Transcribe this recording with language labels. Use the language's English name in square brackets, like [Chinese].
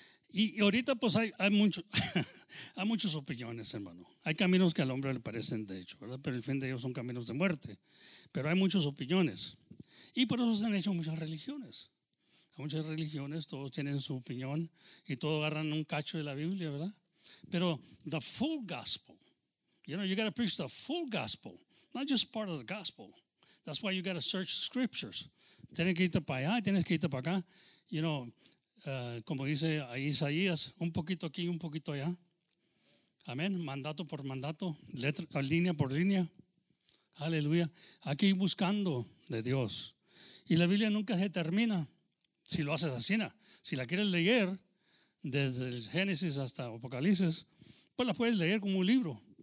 [Spanish] Y ahorita pues hay muchas opiniones, hermano. Hay caminos que al hombre le parecen de hecho, ¿verdad? Pero el fin de ellos son caminos de muerte. Pero hay muchas opiniones. Y por eso se han hecho muchas religiones. Hay muchas religiones, todos tienen su opinión y todos agarran un cacho de la Biblia, ¿verdad? Pero [English] the full gospel. You know, you got to preach the full gospel. Not just part of the gospel. That's why you got to search the scriptures. [Spanish] Tienes que irte para allá, tienes que irte para acá. [English] You know, [Spanish] como dice ahí Isaías, un poquito aquí y un poquito allá. Amén. Mandato por mandato, línea por línea. Aleluya. Hay que ir buscando de Dios. Y la Biblia nunca se termina si lo haces así. Si la quieres leer desde el Génesis hasta Apocalipsis, pues la puedes leer como un libro.